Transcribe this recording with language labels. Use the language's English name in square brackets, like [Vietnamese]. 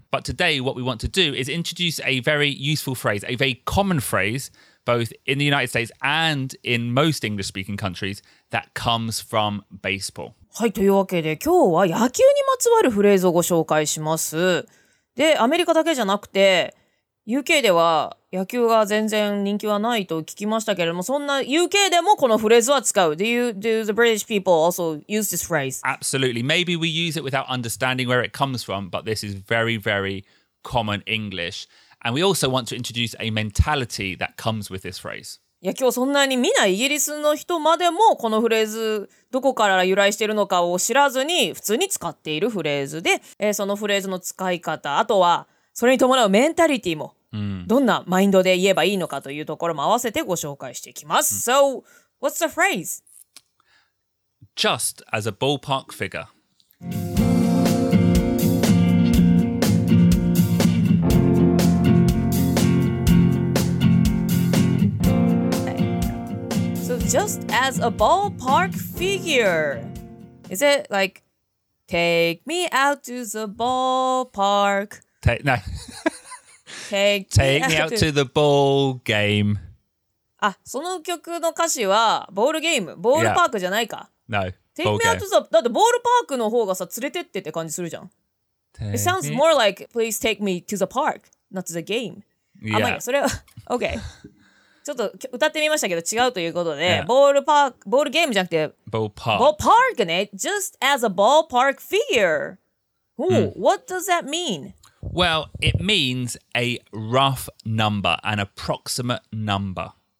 [English] But today what we want to do is introduce a very useful phrase, a very common phrase, both in the United States and in most English speaking countries, that comes from baseball. [Japanese] はい、というわけで今日は野球にまつわるフレーズをご紹介します。で、アメリカだけじゃなくて、UK では野球が全然人気はないと聞きましたけれども、そんな UK でもこのフレーズは使う。 [English] Do the British people also use this phrase? Absolutely. Maybe we use it without understanding where it comes from, but this is very, very common English. And we also want to introduce a mentality that comes with this phrase. [Japanese] 野球をそんなに見ないイギリスの人までもこのフレーズどこから由来しているのかを知らずに普通に使っているフレーズで、そのフレーズの使い方、あとはそれに伴うメンタリティもどんなマインドで言えばいいのかというところも合わせてご紹介していきます。 [English] So, what's the phrase? Just as a ballpark figure. So, just as a ballpark figure. Is it like, take me out to the ballpark? No. Take me out to the ball game. [Japanese] あ、その曲の歌詞はボールゲーム、ボールパークじゃないか。 [English] No. Take me out to the [Japanese] だってボールパークの方がさ連れてってって感じするじゃん。 [English] It sounds more like please take me to the park, not to the game. Yeah. [Japanese] あ、まあいいや、それは OK。ちょっと歌ってみましたけど違うということで、ボールパーク、ボールゲームじゃなくて、 [English] ballpark [Japanese] ね。 [English] Just as a ballpark figure. Ooh, what does that mean? Well, it means a rough number, an approximate number.